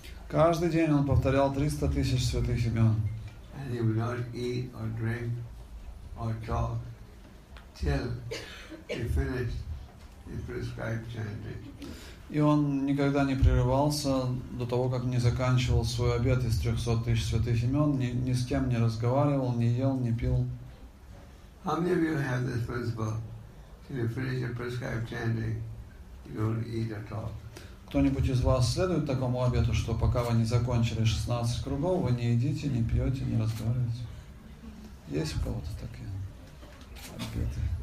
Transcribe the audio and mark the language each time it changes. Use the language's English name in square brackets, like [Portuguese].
[Russian] Каждый день он повторял 300 тысяч святых имен. [English] And he would not eat or drink or talk till he finished his prescribed chanting. [Russian] И он никогда не прерывался до того, как не заканчивал свой обед из 300 тысяч святых имен, ни с кем не разговаривал, не ел, не пил. [English] How many of you have this principle? Till you finish your prescribed chanting, you don't eat or talk. [Russian] Кто-нибудь из вас следует такому обету, что пока вы не закончили 16 кругов, вы не едите, не пьете, не разговариваете? Есть у кого-то такие обеты?